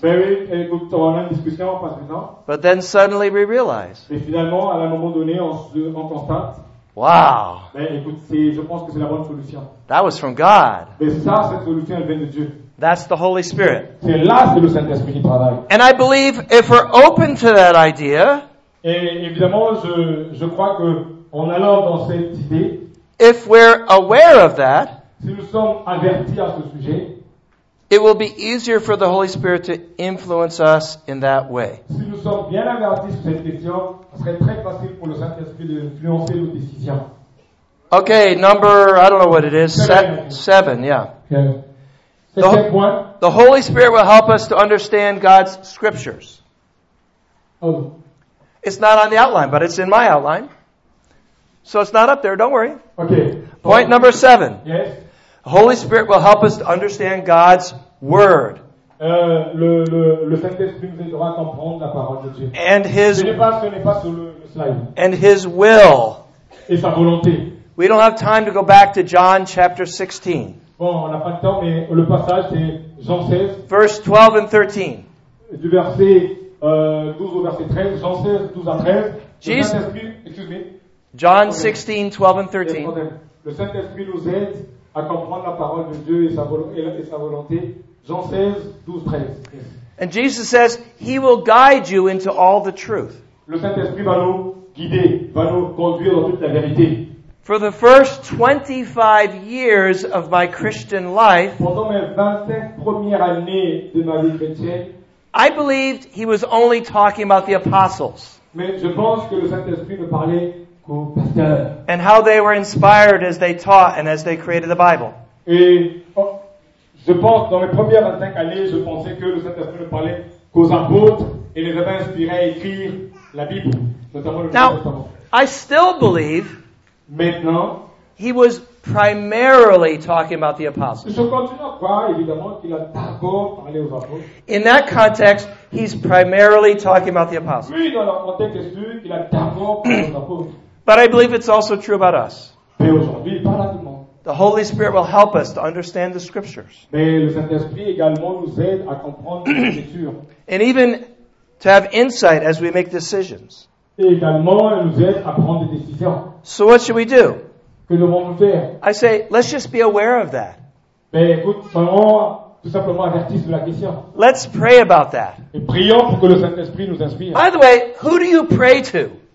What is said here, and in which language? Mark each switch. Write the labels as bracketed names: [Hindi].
[French] Mais oui, écoute, on a une discussion, on passe du temps. [English] But then suddenly we realize. [French] Mais finalement, à un moment donné, on constate. [English] Wow. [French] Mais écoute, je pense que c'est la bonne solution. [English] That was from God. [French] Mais ça, cette solution, elle vient de Dieu. [English] That's the Holy Spirit. [French] C'est là que le Saint-Esprit travaille. [English] And I believe if we're open to that idea, [French] et évidemment, je crois que en allant dans cette idée, [English] if we're aware of that, [French] si nous sommes avertis à ce sujet, [English] it will be easier for the Holy Spirit to influence us in that way. [French] Si nous sommes bien avertis sur cette question, ce serait très facile pour le Saint-Esprit d'influencer nos décisions. [English] Okay, number, I don't know what it is, seven, yeah. Okay. The Holy Spirit will help us to understand God's scriptures. Oh. It's not on the outline, but it's in my outline. So it's not up there, don't worry. Okay. Point number seven. Yes. The Holy Spirit will help us to understand God's word. [French] Le Saint-Esprit nous aidera à comprendre la parole de Dieu. [English] And his, [French] ce n'est pas sur le slide. [English] And his will. [French] Et sa volonté. [English] We don't have time to go back to John chapter 16. [French] Bon, on n'a pas le temps, mais le passage, c'est Jean 16. [English] Verse 12 and 13. [French] Du verset 12 au verset 13. Jean 16, 12 à 13. [English] Jesus, [French] le Saint-Esprit, excuse-moi. [English] John 16, 12 and 13. [French] Le Saint-Esprit nous aide à comprendre la parole de Dieu et sa volonté. Jean 16, 12, 13. [English] And Jesus says, he will guide you into all the truth. [French] Le Saint-Esprit va nous guider, va nous conduire dans toute la vérité. [English] For the first 25 years of my Christian life, [French] pendant mes 25 premières années de ma vie chrétienne, [English] I believed he was only talking about the apostles. [French] Mais je pense que le Saint-Esprit me parlait qu'aux pasteurs. [English] And how they were inspired as they taught and as they created the Bible. [French] Et je pense, dans mes premières 25 années, je pensais que le Saint-Esprit me parlait qu'aux apôtres et les avait inspirés à écrire la Bible, notamment le Now, Testament. [English] I still believe [French] maintenant, [English] he was primarily talking about the apostles. [French] Je continue à croire, évidemment, qu'il a d'abord parlé aux apôtres. [English] In that context, he's primarily talking about the apostles. [French] Lui, dans le contexte, est-ce qu'il a d'abord parlé aux apôtres. [English] But I believe it's also true about us. [French] Mais aujourd'hui, il parle à tout le monde. [English] The Holy Spirit will help us to understand the scriptures. [French] Mais le Saint-Esprit également nous aide à comprendre les écritures. [English] And even to have insight as we make decisions. [French] Et également, elle nous aide à prendre des décisions. [English] So what should we do? [French] Que devons-nous faire? [English] I say, let's just be aware of that. [French] Mais écoute, soyons tout simplement avertis sur la question. [English] Let's pray about that. [French] Et prions pour que le Saint-Esprit nous inspire. [English] By the way, who do you pray to?